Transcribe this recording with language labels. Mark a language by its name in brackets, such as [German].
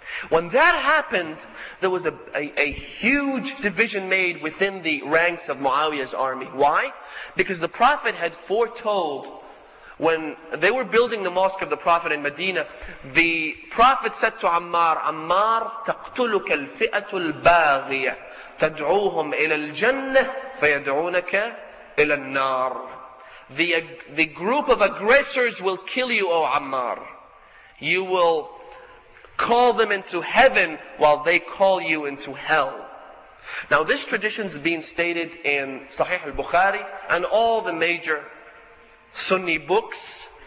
[English] When that happened, there was a huge division made within the ranks of Muawiyah's army. Why? Because the Prophet had foretold, when they were building the mosque of the Prophet in Medina, the Prophet said to Ammar, Ammar, [Arabic] taqtuluka al-fi'atu al-baghiyah. تدعوهم إلى الجنة فيدعونك إلى النار. [English] The group of aggressors will kill you, O Ammar. You will call them into heaven while they call you into hell. Now this tradition is being stated in Sahih al-Bukhari and all the major Sunni books.